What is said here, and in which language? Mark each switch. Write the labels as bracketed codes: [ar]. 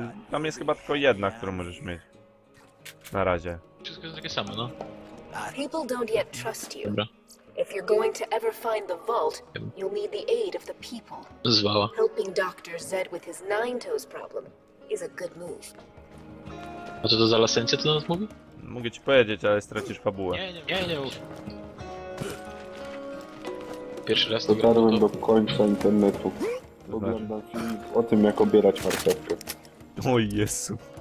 [pl] Tam jest chyba tylko jedna, którą możesz mieć. Na razie. Wszystko jest takie samo, no. [en] People don't yet trust you. [pl] Dobra. [en] If you're going to ever find the vault, you'll need the aid of the people. [pl] Zwała. [en] Helping Dr. Zed with his nine toes problem is a good move. [pl] A co to za lasencja, co nas mówi? Mogę ci powiedzieć, ale stracisz fabułę. Nie. Pierwszy raz to grałem do końca internetu. Oglądam o tym, jak obierać marchewkę. O Jezu.